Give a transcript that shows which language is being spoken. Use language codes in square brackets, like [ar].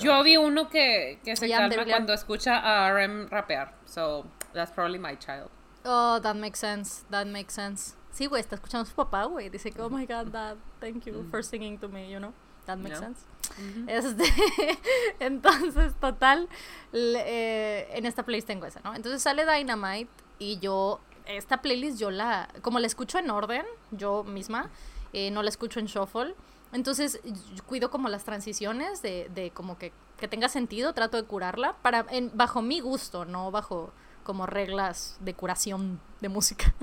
[es] Yo vi uno que se llama cuando escucha a RM rapear. [en] So that's probably my child. Oh, that makes sense. [es] Sí, güey, está escuchando a su papá, güey. Dice que, [en] oh my god, dad, thank you for singing to me, you know. That makes sense. Mm-hmm. [es] Entonces, total, en esta playlist tengo esa, ¿no? Entonces sale Dynamite y yo esta playlist yo la como la escucho en orden yo misma. No la escucho en shuffle, entonces cuido como las transiciones de como que tenga sentido, trato de curarla para bajo mi gusto, no bajo como reglas de curación de música.